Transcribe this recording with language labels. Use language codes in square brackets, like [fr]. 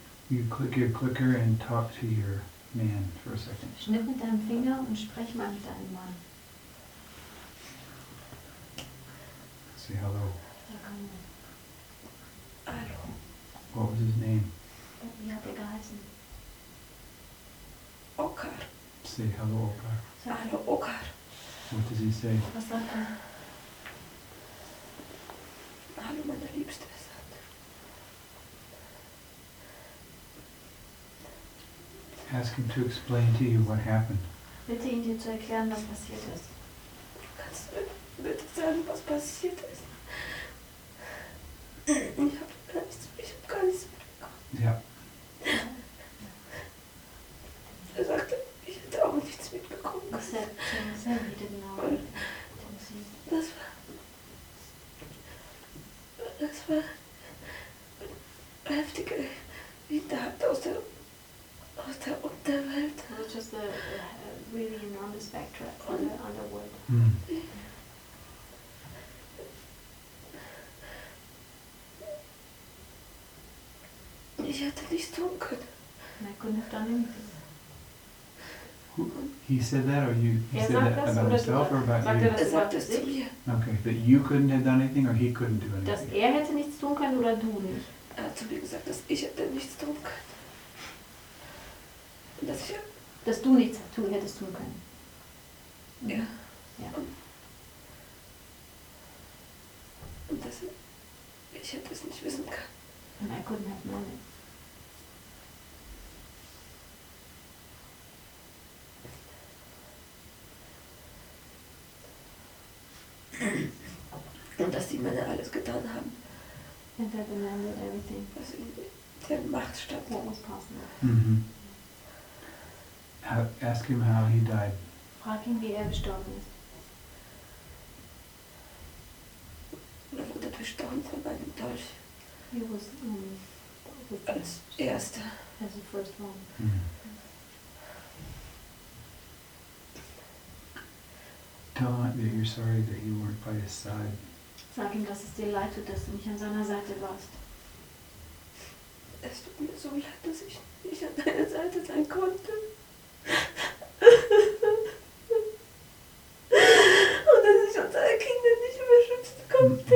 [en] You click your clicker and talk to your man for a second. [de] Schnipp mit deinem Finger und sprech mal mit deinem Mann. [en] Say hello. [de] Hallo. [en] What was his name? [de] Wie hat er geheißen? Okar. [en] Say hello, Okar. [de] Hallo, Okar. [en] What does he say? [de] Was sagt er? Hallo, meine Liebste. [en] Ask him to explain to you what happened. [de] bitte ihn dir zu erklären, was passiert ist. Kannst du bitte sagen, was passiert ist? Ich hab gar nichts mitbekommen. Ja. Er sagte, ich hätte auch nichts mitbekommen. Das ist sehr gut, genau. Das war heftige Hinterhalt aus der Unterwelt. Das ist [en] just a really enormous backdrop on the underworld. [de] Ich hätte nichts tun können. [en] I couldn't have done anything. He said that, or you? He said that about himself or about you? [de] Er sagt das zu mir. [en] Okay, that you couldn't have done anything or he couldn't do anything? [de] Dass er hätte nichts tun können oder du nicht? Er hat zu mir gesagt, dass ich hätte nichts tun können. Dass ich... Dass du nichts hättest tun können. Ja. Ja. Und dass ich hätte es nicht wissen können. [en] And I couldn't have known it. [de] Und dass die Männer alles getan haben. [en] And that the man did everything. [de] Was in der Machtstadt muss passen. [en] Ask him how he died. [de] Frag ihn, wie er gestorben ist. Er wurde bestochen von einem Dolch. [en] He was [de] als Erster. [en] As the first one. Tell him that you're sorry that you weren't by his side. [de] Sag ihm, dass es dir leid tut, dass du nicht an seiner Seite warst. Es tut mir so leid, dass ich nicht an deiner Seite sein konnte. Und dass ich unsere Kinder nicht mehr schützen konnte.